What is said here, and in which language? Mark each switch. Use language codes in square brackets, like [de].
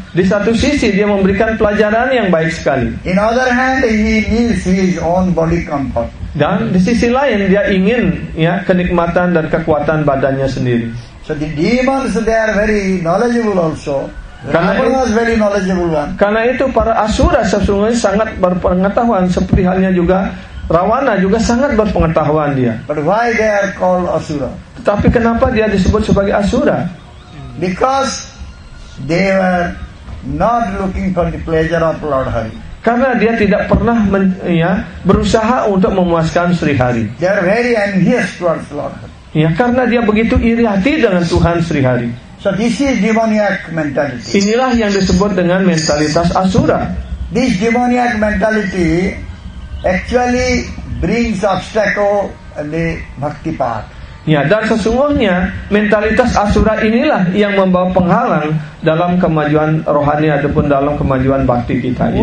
[id] Di satu sisi dia memberikan pelajaran yang baik sekali. [en] In other hand he needs his own body comfort. [id] Dan di sisi lain dia ingin ya kenikmatan dan kekuatan badannya sendiri. [en] So the demons they are very knowledgeable also. Ramana was very knowledgeable one. [id] Karena itu para asura sesungguhnya sangat berpengetahuan, seperti halnya juga Ravana juga sangat berpengetahuan dia. [en] But why they are called asura? [id] Tapi kenapa dia disebut sebagai asura? [en] Because they were not looking for the pleasure of Lord Hari. [id] Karena dia tidak pernah berusaha untuk memuaskan Sri Hari. [en] They are very envious towards Lord Hari. [id] Ya, karena dia begitu iri hati dengan Tuhan Sri Hari. [en] So this is demoniac mentality. [id] Inilah yang disebut dengan mentalitas asura. [en] This demoniac mentality actually brings obstacle in the bhakti path. [id] Ya, dan sesungguhnya mentalitas asura inilah yang membawa penghalang dalam kemajuan rohani ataupun dalam kemajuan bhakti kita ini.